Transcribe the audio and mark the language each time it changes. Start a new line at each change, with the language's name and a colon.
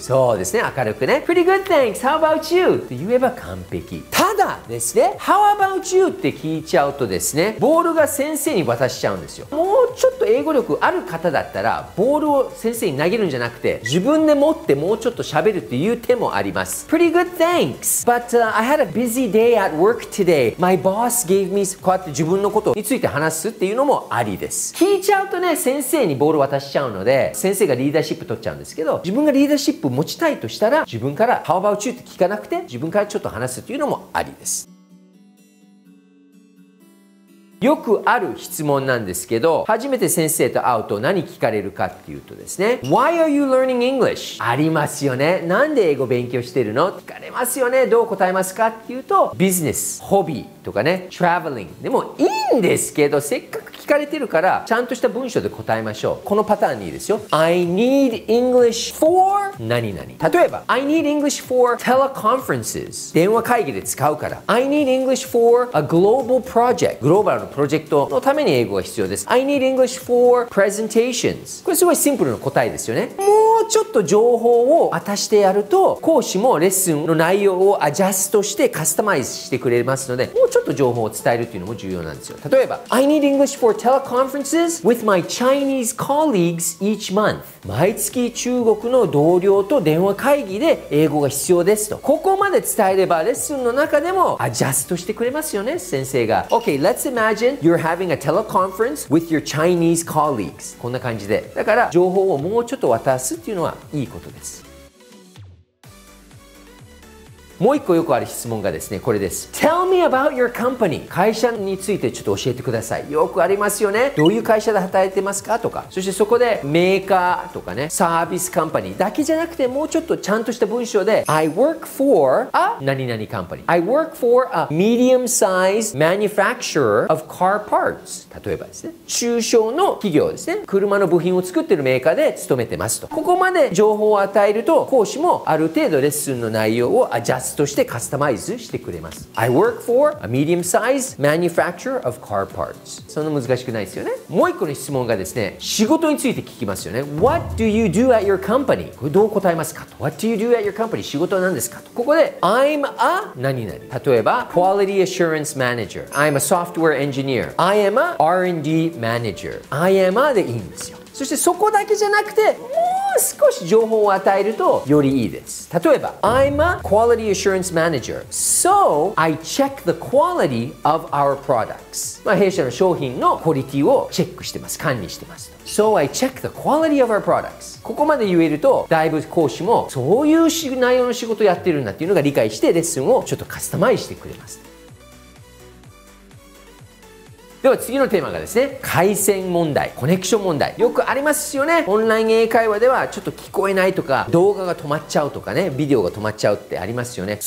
Japanese: そうですね、明るくね、
English: Pretty good thanks! How about you?
Japanese: って言えば完璧。ただですね、
English: How about you?How about you?
Japanese: って聞いちゃうとですね、ボールが先生に渡しちゃうんですよ。もうちょっと英語力ある方だったら、ボールを先生に投げるんじゃなくて、自分で持ってもうちょっと喋るっていう手もあります。
English: Pretty good thanks! But I had a busy day at work today. My boss gave me...
Japanese: こうやって自分のことについて話すっていうのもありです。聞いちゃうとね、先生にボール渡しちゃうので、先生がリーダーシップ取っちゃうんですけど、自分がリーダーシップ持ちたいとしたら、自分から
English: How about you?
Japanese: って聞かなくて、自分からちょっと話すっていうのもありです。よくある質問なんですけど、初めて先生と会うと何聞かれるかっていうとですね、
English: Why are you learning English?
Japanese: ありますよね。なんで英語勉強してるの？聞かれますよね。どう答えますかっていうと、ビジネス、ホビーとかね、トラベリングでもいいんですけど、せっかく聞かれてるからちゃんとした文章で答えましょう。このパターンにいいですよ。
English: I need English for
Japanese: 何々。例えば
English: I need English for teleconferences、
Japanese: 電話会議で使うから。
English: I need English for a global project、
Japanese: グローバルのプロジェクトのために英語が必要です。
English: I need English for presentations、
Japanese: これすごいシンプルな答えですよね。もうちょっと情報を渡してやると、講師もレッスンの内容をアジャストしてカスタマイズしてくれますので、もうちょっと情報を伝えるっていうのも重要なんですよ。例えば
English: I need English for teleconferences with my Chinese colleagues each month。
Japanese: 毎月中国の同僚と電話会議で英語が必要ですと。ここまで伝えればレッスンの中でもアジャストしてくれますよね、先生が。
English: OK, let's imagine you're having a teleconference with your Chinese colleagues。
Japanese: こんな感じで、だから情報をもうちょっと渡すっていうのはいいことです。もう一個よくある質問がですね、これです。
English: Tell me about your company。
Japanese: 会社についてちょっと教えてください。よくありますよね。どういう会社で働いてますかとか、そしてそこでメーカーとかね、サービスカンパニーだけじゃなくて、もうちょっとちゃんとした文章で
English: I work for a
Japanese: 何々
English: company。 I work for a medium sized manufacturer of car parts。
Japanese: 例えばですね、中小の企業ですね、車の部品を作ってるメーカーで勤めてますと。ここまで情報を与えると、講師もある程度レッスンの内容をアジャラスとしてカスタマイズしてくれます。
English: I work for a medium sized manufacturer of car parts。
Japanese: そんな難しくないですよね。もう一個の質問がですね、仕事について聞きますよね。
English: What do you do at your company?
Japanese: これどう答えますかと。
English: What do you do at your company?
Japanese: 仕事は何ですかと。ここで
English: I'm a
Japanese: 何々。
English: 例えば Quality Assurance Manager。 I'm a Software Engineer。 I am a R&D Manager。 I am a
Japanese: でいいんですよ。そしてそこだけじゃなくて、もう少し情報を与えるとよりいいです。
English: 例えば、I'm a quality assurance manager, so I check the quality of our products.
Japanese: まあ、弊社の商品のクオリティをチェックしてます。管理してます。
English: So I check the quality of our products.
Japanese: ここまで言えると、だいぶ講師もそういう内容の仕事をやってるんだっていうのが理解して、レッスンをちょっとカスタマイズしてくれます。では次のテーマがですね、回線問題、コネクション問題。よくありますよね。オンライン英会話ではちょっと聞こえないとか、動画が止まっちゃうとかね、ビデオが止まっちゃうってありますよね。